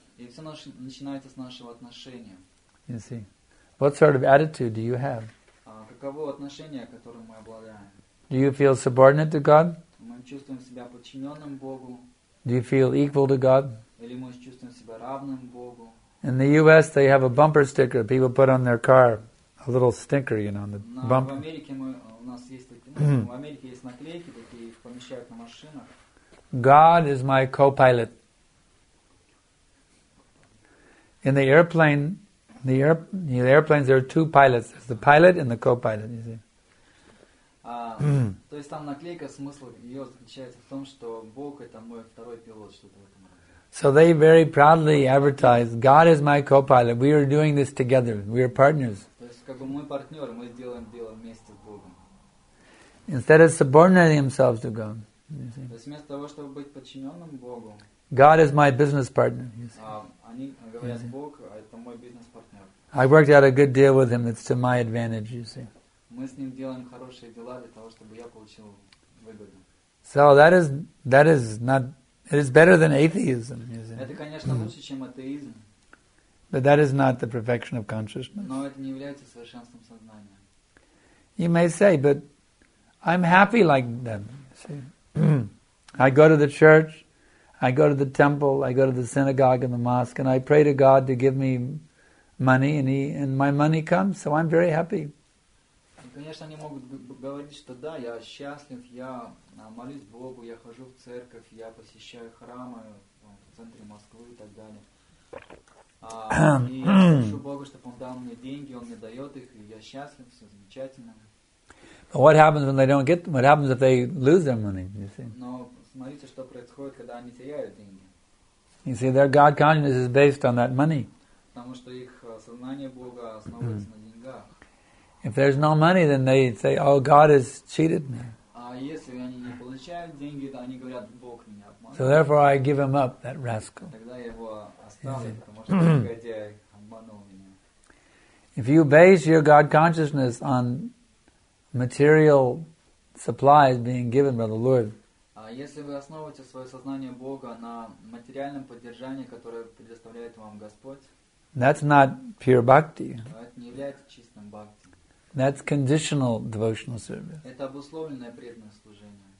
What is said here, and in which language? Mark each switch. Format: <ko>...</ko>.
<ru>И все начинается с нашего отношения.</ru> <en>You see. What sort of attitude do you have?</en> <ru>Каково отношение, которым мы обладаем?</ru> <en>Do you feel subordinate to God?</en> <ru>Мы чувствуем себя подчиненным Богу.</ru> <en>Do you feel equal to God?</en> <ru>Или мы чувствуем себя равным Богу?</ru> <en>In the US they have a bumper sticker people put on their car, a little sticker, you know, on the bumper.</en> <ru>В Америке у нас есть такие, в Америке есть наклейки, такие их помещают на машинах.</ru> <en>God is my co-pilot. In the airplane, the airplanes, there are two pilots. There's the pilot and the co-pilot, you see.</en> <ru>То есть там наклейка, смысл ее заключается в том, что Бог – это мой второй пилот, что-то в этом.</ru> <en>So they very proudly advertise, God is my co-pilot, we are doing this together, we are partners.</en> <ru>То есть как бы мы партнеры, мы сделаем дело вместе с Богом.</ru> <en>Instead of subordinating themselves to God, you see.</en> <ru>То есть вместо того, чтобы быть подчиненным Богу,</ru> <en>God is my business partner. You see.</en> <ru>Они говорят, Бог – это мой бизнес-партнер.</ru> <en>I worked out a good deal with him. It's to my advantage, you see.</en> <ru>Мы с ним делаем хорошие дела для того, чтобы я получил выгоду.</ru> <en>So that is not. It is better than atheism, you see.</en> <ru>Это, конечно, лучше, чем атеизм.</ru> <en>But that is not the perfection of consciousness.</en> <ru>Но это не является совершенством сознания.</ru> <en>You may say, but I'm happy like them. You see, I go to the church. I go to the temple, I go to the synagogue and the mosque, and I pray to God to give me money, and my money comes, so I'm very happy.</en> <ru>Конечно, они могут говорить, что да, я счастлив, я молюсь Богу, я хожу в церковь, я посещаю храмы в центре Москвы и так далее. И прошу Бога, чтобы Он дал мне деньги, Он мне дает их, и я счастлив, все замечательно.</ru> <en>But what happens when they don't get them? What happens if they lose their money, you see?</en> <ru>Но смотрите, что происходит, когда они теряют деньги.</ru> <en>You see, their God consciousness is based on that money.</en> <ru>Потому что их сознание Бога основывается на деньгах.</ru> <en>If there's no money, then they say, oh, God has cheated me.</en> <ru>А если они не получают деньги, то они говорят, Бог меня обманул.</ru> <en>So therefore I give him up, that rascal.</en> <ru>Тогда я его оставлю, потому что негодяй обманул меня.</ru> <en>If you base your God consciousness on material supplies being given by the Lord,</en> <ru>если вы основываете свое сознание Бога на материальном поддержании, которое предоставляет вам Господь,</ru> <en>that's not pure bhakti.</en> <ru>Это не является чистым бхакти.</ru> <en>That's conditional devotional service.</en> <ru>Это обусловленное преданное служение.</ru>